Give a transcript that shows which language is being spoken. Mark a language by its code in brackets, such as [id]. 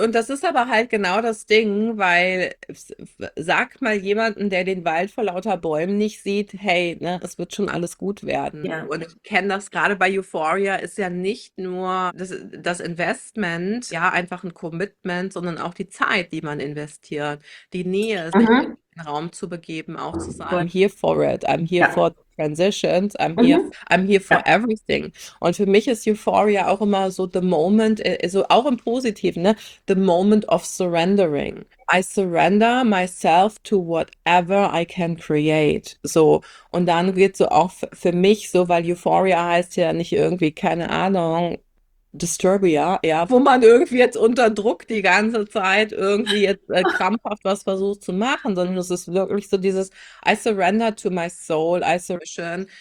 [de] Und das ist aber halt genau das Ding, weil sag mal jemanden, der den Wald vor lauter Bäumen nicht sieht, hey, ne, es wird schon alles gut werden. Ja. Und ich kenne das gerade bei Euphoria, ist ja nicht nur das Investment, ja, einfach ein Commitment, sondern auch die Zeit, die man investiert, die Nähe, sich in den Raum zu begeben, auch zu sagen, [en] I'm here for it, I'm here [de] Ja. [en] for Transitions, I'm here for everything. [de] Und für mich ist Euphoria auch immer so [en] the moment, [de] also auch im Positiven, ne? [en] The moment of surrendering. I surrender myself to whatever I can create. [de] So. Und dann geht so auch für mich so, weil Euphoria heißt ja nicht irgendwie, keine Ahnung, Disturbia, ja, wo man irgendwie jetzt unter Druck die ganze Zeit irgendwie jetzt krampfhaft was versucht zu machen, sondern es ist wirklich so dieses [en] I surrender to my soul, I surrender.